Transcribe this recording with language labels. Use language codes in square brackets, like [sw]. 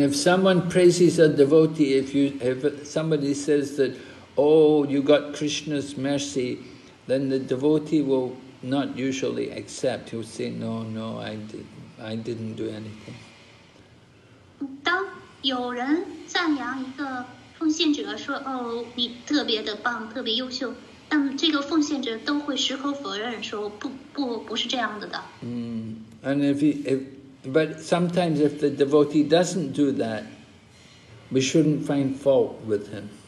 [en] if someone praises a devotee, if somebody says that, oh, you got Krishna's mercy, then the devotee will not usually accept. He'll say, no, no, I didn't do anything. [zh] 当有人赞扬一个 奉献者说：“哦，你特别的棒，特别优秀。”那么这个奉献者都会矢口否认，说：“不，不是这样子的。” [en] And if he, but sometimes if the devotee doesn't do that, we shouldn't find fault with him.